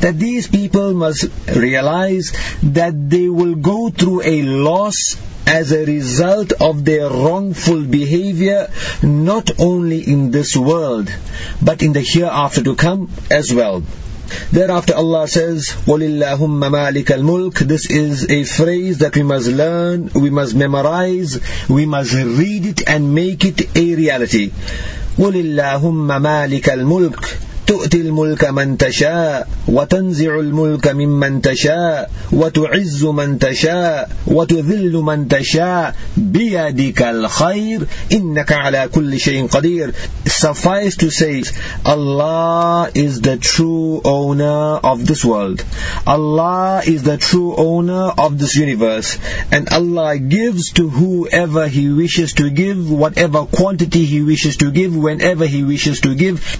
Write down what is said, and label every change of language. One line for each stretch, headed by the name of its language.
English: That these people must realize that they will go through a loss as a result of their wrongful behavior, not only in this world, but in the hereafter to come as well. Thereafter Allah says,
Arabic: وَلِلَّهُمَّ مَالِكَ الْمُلْكِ.
English: This is a phrase that we must learn, we must memorize, we must read it and make it a reality.
Arabic: وَلِلَّهُمَّ مَالِكَ الْمُلْكِ. تؤتي الملك من تشاء وتنزع الملك ممن تشاء وتعز من تشاء وتذل من تشاء بيدك الخير إنك على كل شيء قدير.
English: Suffice to say, Allah is the true owner of this world. Allah is the true owner of this universe. And Allah gives to whoever He wishes to give, whatever quantity He wishes to give, whenever He wishes to give.